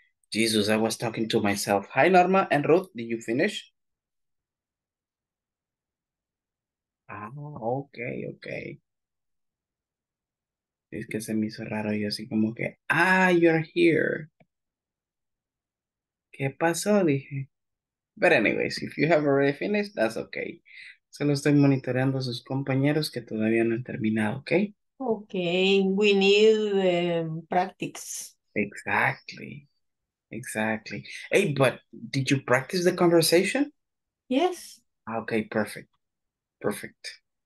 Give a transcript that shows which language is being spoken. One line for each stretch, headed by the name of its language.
English: Jesus, I was talking to myself. Hi, Norma and Ruth, did you finish? Ah, okay.
Spanish: Es que se me hizo raro y así como que, ah,
English: you're here.
Spanish: ¿Qué pasó? Dije.
English: But anyways, if you have already finished, that's okay.
Spanish: Solo estoy monitoreando a sus compañeros que todavía no han terminado, okay?
English: Okay, we need practice. Exactly. Hey, but did you practice the conversation? Yes. Okay, perfect. Perfect.